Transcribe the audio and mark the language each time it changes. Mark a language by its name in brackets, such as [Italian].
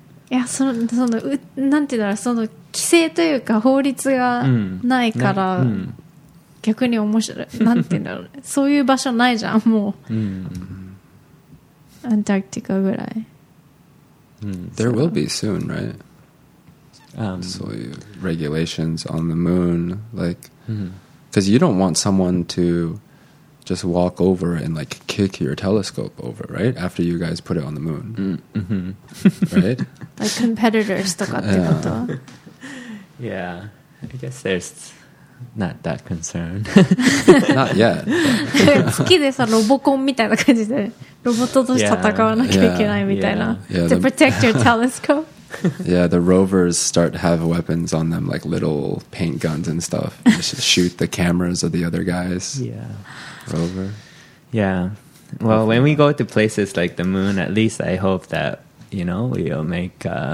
[English] Yeah, [Japanese] その、なんて言うんだろう、その規制というか法律がないから。うん。逆に面白い、なんて言うんだろうね、そういう場所ないじゃん、もう。アンタークティカぐらい。 [English] There will be soon, right? [Japanese] そういう [English] regulations on the moon, like, because you don't want someone to just walk over and like kick your telescope over, right? After you guys put it on the moon, right? Like competitors [Japanese] とかってこと。 [English] Yeah, I guess there's. Not that concerned. Not yet. [Japanese] 月でさ、ロボコンみたいな感じでロボットとして戦わなきゃいけないみたいな。 [English] Yeah, to protect your telescope. Yeah, the rovers start to have weapons on them, like little paint guns and stuff. Just shoot the cameras of the other guys. Yeah. Rover. Yeah. Well, when we go to places like the moon, at least I hope that, you know, we'll make...